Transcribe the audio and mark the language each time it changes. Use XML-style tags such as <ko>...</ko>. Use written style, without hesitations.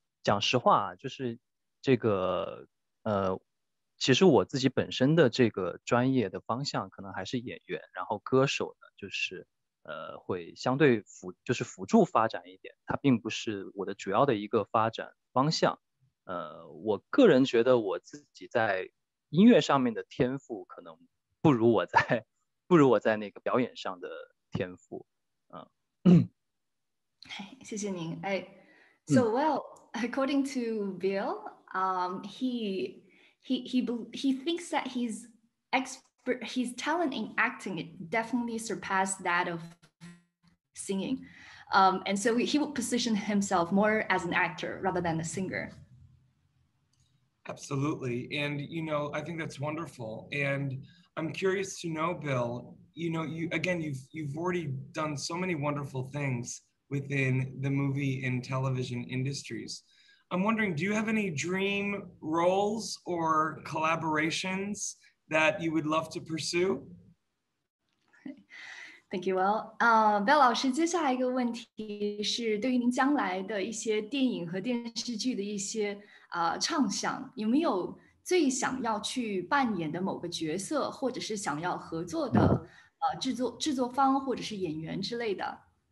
<zh>讲实话，就是这个其实我自己本身的这个专业的方向可能还是演员，然后歌手呢就是会相对辅助发展一点，它并不是我的主要的一个发展方向。我个人觉得我自己在音乐上面的天赋可能不如我在那个表演上的天赋。谢谢您。</zh> <en>So well, according to Bill, he thinks that his talent in acting definitely surpassed that of singing. And so he would position himself more as an actor rather than a singer. Absolutely. And, you know, I think that's wonderful. And I'm curious to know, Bill, you know, you've already done so many wonderful things within the movie and television industries. I'm wondering, do you have any dream roles or collaborations that you would love to pursue? Thank you, Will.</en> <zh>Bell 老师，接下来一个问题是对于您将来的一些电影和电视剧的一些畅想，有没有最想要去扮演的某个角色，或者是想要合作的制作方或者是演员之类的？</zh>